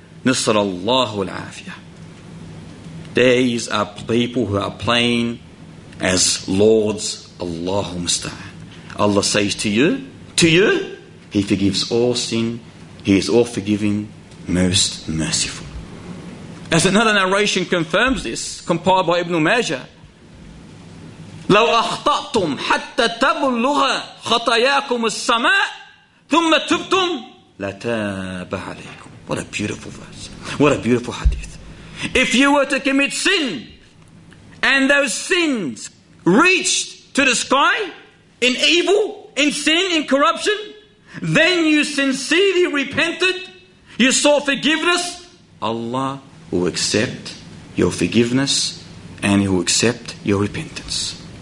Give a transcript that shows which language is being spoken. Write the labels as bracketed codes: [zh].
[ar] Nusrallahu al-afiyah. [en] These are people who are playing as lords. [ar] Allahu musta'an. [en] Allah says to you, He forgives all sin. He is all forgiving, most merciful. As another narration confirms this, compiled by Ibn Majah, [ar] لو أخطأتم حتى تبلغ خطاياكم السماء ثم تبتم لتاب عليكم. [en] What a beautiful verse. What a beautiful hadith. If you were to commit sin and those sins reached to the sky in evil, in sin, in corruption, then you sincerely repented, you saw forgiveness, Allah will accept your forgiveness and He will accept your repentance.